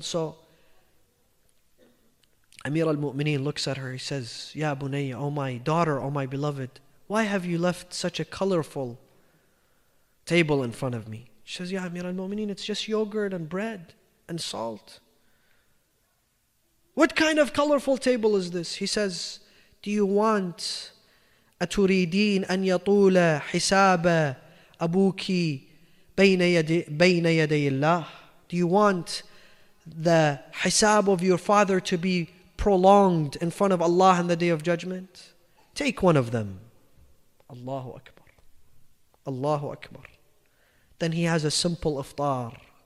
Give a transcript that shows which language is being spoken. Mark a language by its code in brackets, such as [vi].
[en] So Amir al-Mu'mineen looks at her. He says, Ya Bunayya, oh my daughter, oh my beloved, why have you left such a colorful table in front of me? She says, Ya Amir al-Mu'mineen, it's just yogurt and bread and salt. What kind of colorful table is this? He says, Do you want [ar] أتريدين أن يطول حساب أبوك بين يدي الله? [en] Do you want the hisab of your father to be prolonged in front of Allah in the Day of Judgment? Take one of them. Allahu Akbar. Allahu Akbar. Then he has a simple iftar.